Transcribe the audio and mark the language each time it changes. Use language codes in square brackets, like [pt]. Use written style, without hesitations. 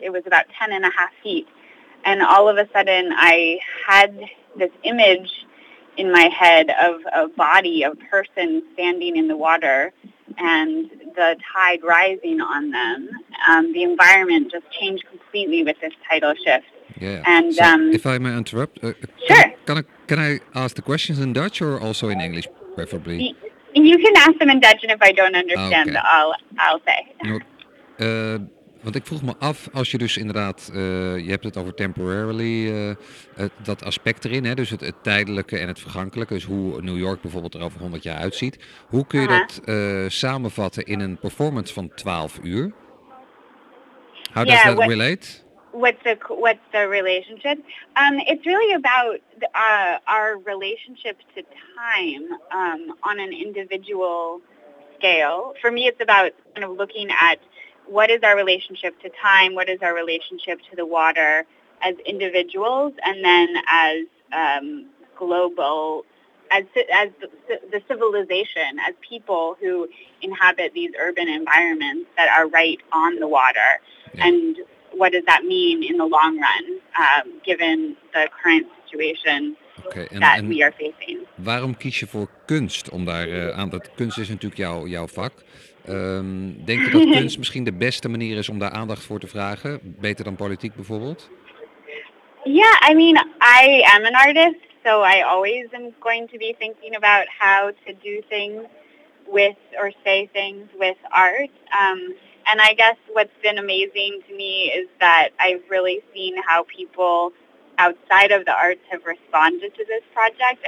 [en] It was about 10 and a half feet. And all of a sudden, I had this image in my head of a body, a person standing in the water and the tide rising on them. The environment just changed completely with this tidal shift. Yeah. And so if I may interrupt, can I ask the questions in Dutch or also in English, preferably? You can ask them in Dutch, and if I don't understand, okay. I'll say. [nl] Want ik vroeg me af, als je dus inderdaad, je hebt het over temporarily, dat aspect erin, hè, dus het tijdelijke en het vergankelijke, dus hoe New York bijvoorbeeld er over 100 jaar uitziet. Hoe kun je dat samenvatten in een performance van 12 uur? [en] How does that relate? What's the relationship? It's really about our relationship to time on an individual scale. For me, it's about kind of looking at what is our relationship to time, what is our relationship to the water as individuals, and then as global, as the civilization, as people who inhabit these urban environments that are right on the water. Yeah. And what does that mean in the long run, given the current situation we are facing? [nl] Waarom kies je voor kunst om daar aan? Dat kunst is natuurlijk jouw vak. Denk je dat kunst misschien de beste manier is om daar aandacht voor te vragen? Beter dan politiek bijvoorbeeld? [en] Yeah, I mean, I am an artist, so I always am going to be thinking about how to do things with or say things with art. And I guess what's been amazing to me is that I've really seen how people outside of the arts have responded to this project.